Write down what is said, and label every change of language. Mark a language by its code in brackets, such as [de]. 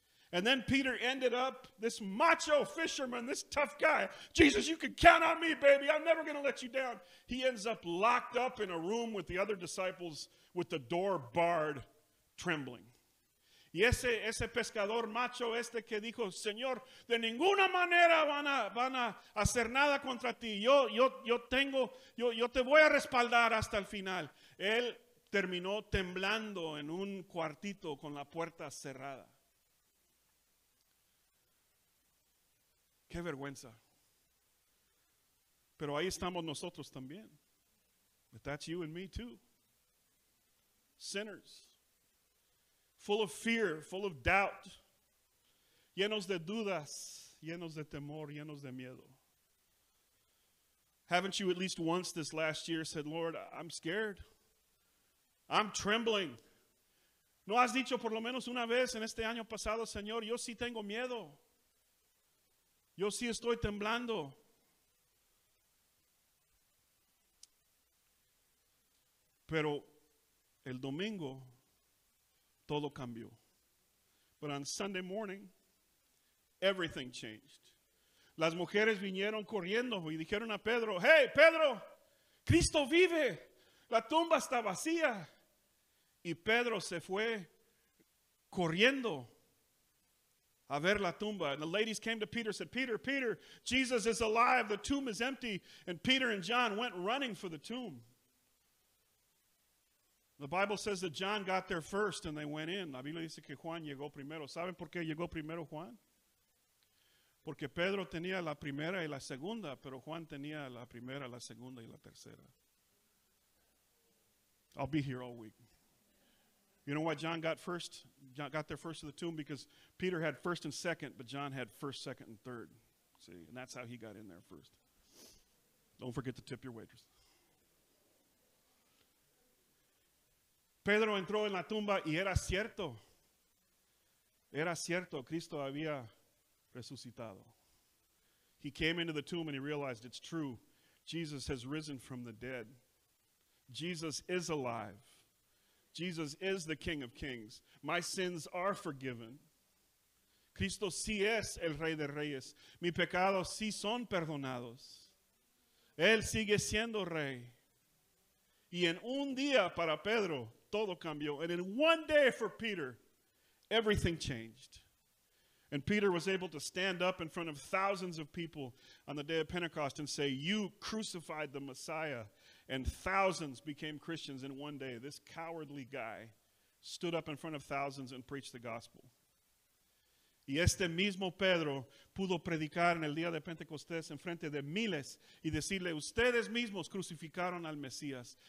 [en] And then Peter ended up, this macho fisherman, this tough guy. Jesus, you can count on me, baby. I'm never going to let you down. He ends up locked up in a room with the other disciples with the door barred, trembling. [es] Y ese pescador macho este que dijo, Señor, de ninguna manera van a hacer nada contra ti. Yo te voy a respaldar hasta el final. Él terminó temblando en un cuartito con la puerta cerrada. Qué vergüenza. Pero ahí estamos nosotros también. [en] But that's you and me too. Sinners. Full of fear, full of doubt. [es] Llenos de dudas, llenos de temor, llenos de miedo. [en] Haven't you at least once this last year said, Lord, I'm scared. I'm trembling. [es] ¿No has dicho por lo menos una vez en este año pasado, Señor, yo sí tengo miedo? Yo sí estoy temblando. Pero el domingo, todo cambió. [en] But on Sunday morning, everything changed. [es] Las mujeres vinieron corriendo y dijeron a Pedro, hey, Pedro, Cristo vive. La tumba está vacía. Y Pedro se fue corriendo a ver la tumba. [en] And the ladies came to Peter and said, Peter, Jesus is alive. The tomb is empty. And Peter and John went running for the tomb. The Bible says that John got there first and they went in. [es] La Biblia dice que Juan llegó primero. ¿Saben por qué llegó primero Juan? Porque Pedro tenía la primera y la segunda, pero Juan tenía la primera, la segunda y la tercera. [en] I'll be here all week. You know why John got first? John got there first to the tomb because Peter had first and second, but John had first, second, and third. See, and that's how he got in there first. Don't forget to tip your waitress. [es] Pedro entró en la tumba y era cierto. Era cierto, Cristo había resucitado. [en] He came into the tomb and he realized it's true. Jesus has risen from the dead. Jesus is alive. Jesus is the King of Kings. My sins are forgiven. [es] Cristo sí es el Rey de Reyes. Mis pecados sí son perdonados. Él sigue siendo Rey. Y en un día para Pedro, todo cambió. [en] And in one day for Peter, everything changed. And Peter was able to stand up in front of thousands of people on the day of Pentecost and say, you crucified the Messiah. And thousands became Christians in one day. This cowardly guy stood up in front of thousands and preached the gospel. [es] Y este mismo Pedro pudo predicar en el día de Pentecostés en frente de miles y decirle, ustedes mismos crucificaron al Mesías.